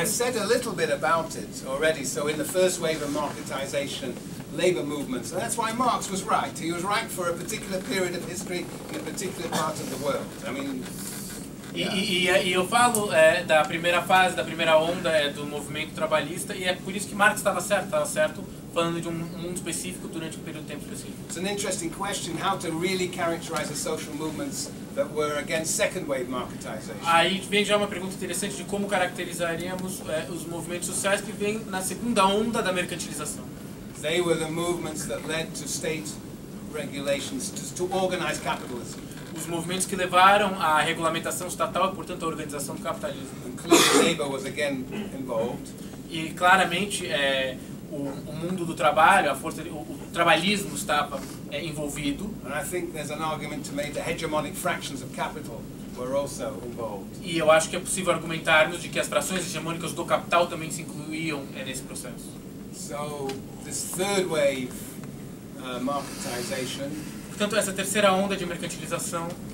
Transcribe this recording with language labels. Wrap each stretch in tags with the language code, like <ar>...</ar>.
<en>I've said a little bit about it already. So in the first wave of marketization, labor movements. And that's why Marx was right. He was right for a particular period of history in a particular part of the world. I mean. Yeah.</en> <pt>E eu falo da primeira fase, da primeira onda do movimento trabalhista, e é por isso que Marx estava certo. Falando de mundo específico durante período de tempo específico.</pt> <en>It's an interesting question how to really characterize the social movements that were against second wave marketization.</en> <pt>Aí vem já uma pergunta interessante de como caracterizaríamos os movimentos sociais que vêm na segunda onda da mercantilização.</pt> <en>They were the movements that led to state regulations to organize capitalism.</en> <pt>Os movimentos que levaram à regulamentação estatal e, portanto, à organização do capitalismo.</pt> <en>Including labor was again involved.</en> <pt>E claramente o mundo do trabalho, a força, o trabalhismo estava envolvido.</pt> <en>And I think there's an argument to make that hegemonic fractions of capital were also involved.</en> <pt>E eu acho que é possível argumentarmos de que as frações hegemônicas do capital também se incluíam nesse processo.</pt> <en>So this third wave marketization.</en> <pt>Portanto, essa terceira onda de mercantilização</pt>